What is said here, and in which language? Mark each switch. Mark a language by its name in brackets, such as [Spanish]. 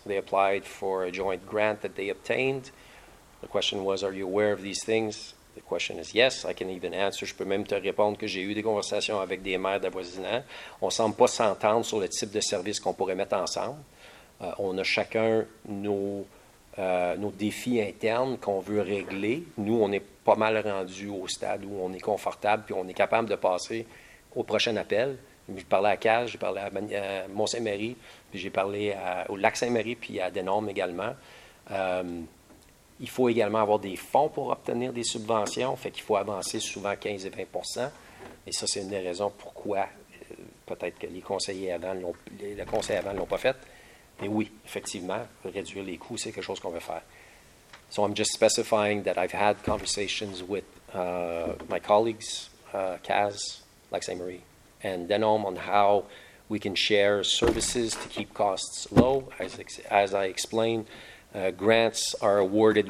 [English] They applied for a joint grant that they obtained. The question was, are you aware of these things? The question is yes. I can even answer. [French] Je peux même te répondre que j'ai eu des conversations avec des maires d'avoisinants. On ne semble pas s'entendre sur le type de services qu'on pourrait mettre ensemble. On a chacun nos défis internes qu'on veut régler. Nous, on est pas mal rendu au stade où on est confortable puis on est capable de passer au prochain appel. J'ai parlé à Cage, j'ai parlé à Mont-Saint-Marie, puis j'ai parlé au Lac-Saint-Marie, puis à Denorme également. Il faut également avoir des fonds pour obtenir des subventions, fait qu'il faut avancer souvent 15 et 20 % et ça, c'est une des raisons pourquoi peut-être que le conseil avant ne l'ont pas fait. Mais oui, effectivement, réduire les coûts, c'est quelque chose qu'on veut faire. [English] So I'm just specifying that I've had conversations with my colleagues, Kaz, Lac-Saint-Marie, and Denome on how we can share services to keep costs low. As I explained, grants are awarded.